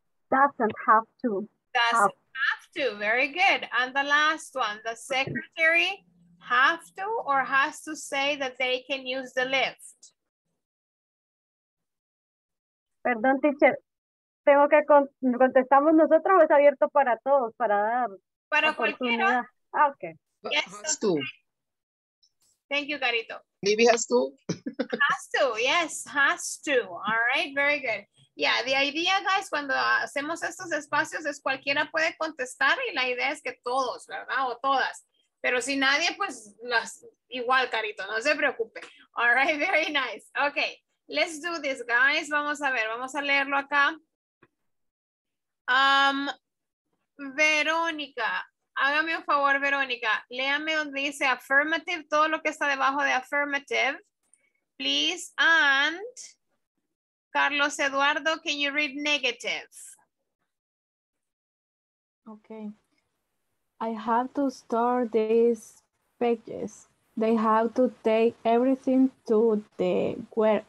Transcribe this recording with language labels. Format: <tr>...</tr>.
<en>Doesn't have to. Very good. And the last one, the secretary have to or has to say that they can use the lift.</en> <es>Perdón, teacher, tengo que contestamos nosotros o es abierto para todos, para dar para cualquiera.</es> <en>Ah, okay. Yes, has to. Thank you, Carito. Maybe has to. Has to, yes, has to. All right, very good. Yeah, the idea, guys,</en> <es>cuando hacemos estos espacios es cualquiera puede contestar y la idea es que todos, ¿verdad? O todas. Pero si nadie, pues las igual, Carito, no se preocupe.</es> <en>All right, very nice. Okay. Let's do this, guys.</en> <es>Vamos a ver, vamos a leerlo acá. Verónica, hágame un favor, Verónica. Léame donde dice affirmative, todo lo que está debajo de affirmative.</es> <en>Please, and Carlos Eduardo, can you read negative? Okay. I have to store these pages. They have to take everything to the warehouse.</en>